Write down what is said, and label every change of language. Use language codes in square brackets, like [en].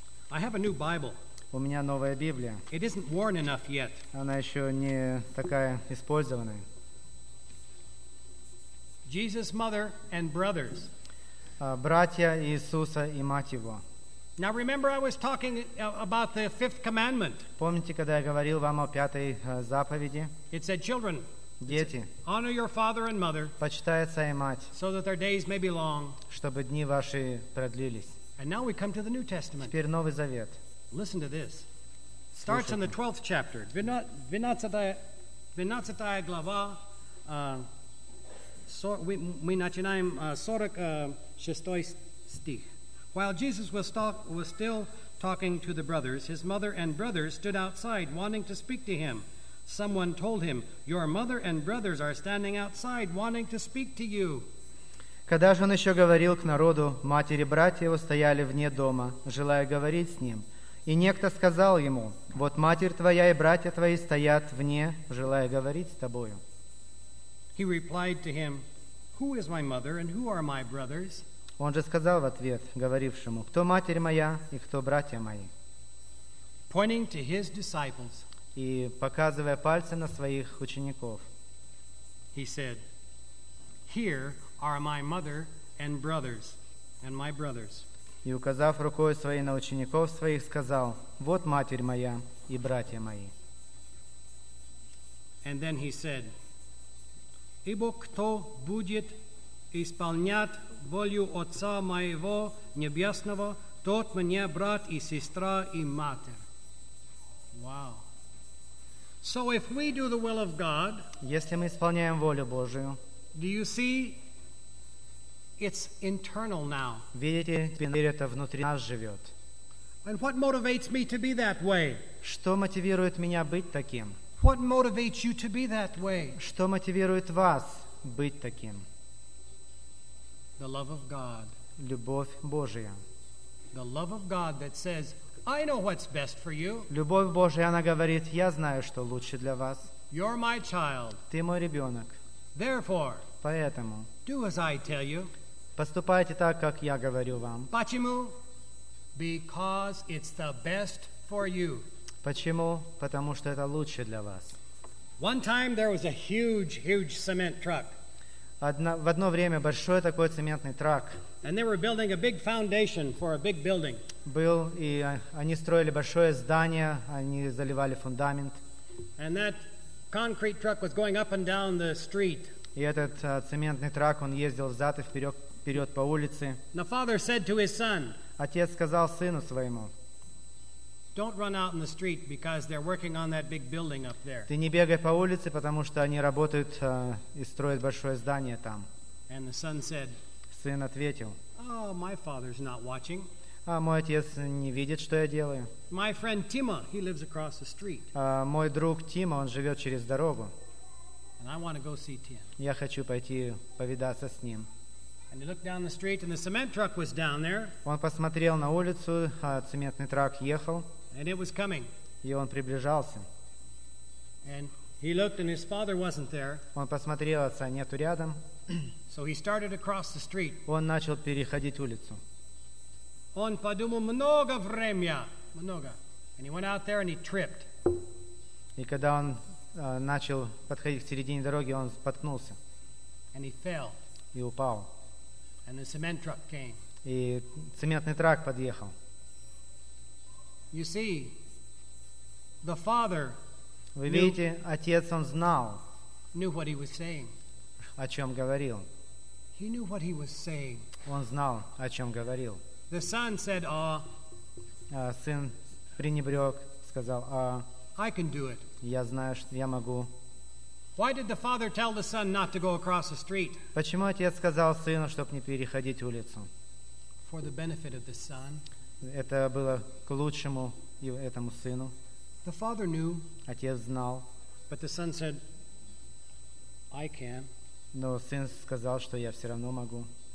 [en] I have a new Bible. [ru] У меня новая Библия. [en] It isn't worn enough yet. [ru] Она еще не такая использованная. [en] Jesus' mother and brothers. [ru] Братья Иисуса и мать его. [en] Now remember, I was talking about the fifth commandment. [ru] Помните, когда я говорил вам о пятой заповеди? [en] It said, "Children, [ru] дети, [en] honor your father and mother." [ru] Почитай отца и мать. [en] So that their days may be long. [ru] Чтобы дни ваши продлились. [en] And now we come to the New Testament. [ru] Теперь Новый Завет. [en] Listen to this. Starts in the 12th chapter. [ru] Двенадцатая глава. Мы начинаем 46 стих. [en] While Jesus was still talking to the brothers, his mother and brothers stood outside wanting to speak to him. Someone told him, "Your mother and brothers are standing outside wanting to speak to you." [ru] Когда же он еще говорил к народу, матери и братья его стояли вне дома, желая говорить с ним. И некто сказал ему, вот матерь твоя и братья твои стоят вне, желая говорить с тобою. [en] He replied to him, who is my mother and who are my brothers? [ru] Он же сказал в ответ говорившему, кто матерь моя и кто братья мои? [en] Pointing to his disciples. [ru] И показывая пальцы на своих учеников. [en] He said, here are my mother and brothers and my brothers. [ru] И указав рукой своей на учеников своих, сказал, вот матерь моя и братья мои. [en] And then he said, [ru] ибо кто будет исполнять волю Отца моего небесного, тот мне брат и сестра и матерь. [en] Wow. So if we do the will of God, [ru] если мы исполняем волю Божию, [en] do you see? It's internal now. [ru] Видите, теперь это внутри нас живет. [en] And what motivates me to be that way? [ru] Что мотивирует меня быть таким? [en] What motivates you to be that way? [ru] Что мотивирует вас быть таким? [en] The love of God. [ru] Любовь Божия. [en] The love of God that says, "I know what's best for you." [ru] Любовь Божия, она говорит, я знаю, что лучше для вас. [en] You're my child. [ru] Ты мой ребенок. [en] Therefore. [ru] Поэтому. [en] Do as I tell you. [ru] Поступайте так, как я говорю вам. Почему? [en] Because it's the best for you. [ru] Почему? Потому что это лучше для вас. [en] One time there was a huge, huge cement truck. [ru] В одно время большой такой цементный трак. [en] And they were building a big foundation for a big building. [ru] Был, и они строили большое здание, они заливали фундамент. [en] And that concrete truck was going up and down the street. [ru] И этот цементный трак, он ездил взад и вперед по улице. [en] The father said to his son, [ru] отец сказал сыну своему, [en] Don't run out in the street because they're working on that big building up there. [ru] Ты не бегай по улице, потому что они работают и строят большое здание там. [en] And the son said. [ru] Сын ответил. [en] Oh, my father's not watching. [ru] А мой отец не видит, что я делаю. [en] My friend Тима, he lives across the street. [ru] Мой друг Тима, он живет через дорогу. [en] And I want to go see Tim. [ru] Я хочу пойти повидаться с ним. [en] And he looked down the street, and the cement truck was down there. [ru] Он посмотрел на улицу, а цементный трак ехал. [en] And it was coming. [ru] И он приближался. [en] And he looked, and his father wasn't there. [ru] Он посмотрел, отца нету рядом. [en] So he started across the street. [ru] Он начал переходить улицу. Он подумал много времени, много. [en] And he went out there, and he tripped. [ru] И когда он начал подходить к середине дороги, он споткнулся. [en] And he fell. [ru] И упал. [en] And the cement truck came. [ru] И цементный трак подъехал. [en] You see, the father. [ru] Вы видите, отец он знал. [en] Knew what he was saying. [ru] О чем говорил. [en] He knew what he was saying. [ru] Он знал, о чем говорил. [en] The son said, "Ah." [ru] Сын пренебрег, сказал, а. [en] I can do it. [ru] Я знаю, что я могу. [en] Why did the father tell the son not to go across the street? [ru] Почему отец сказал сыну, чтобы не переходить улицу? [en] For the benefit of the son. [ru] Это было к лучшему этому сыну. [en] The father knew. [ru] Отец знал. [en] But the son said, "I can." [ru] Но сын сказал, что я все равно могу.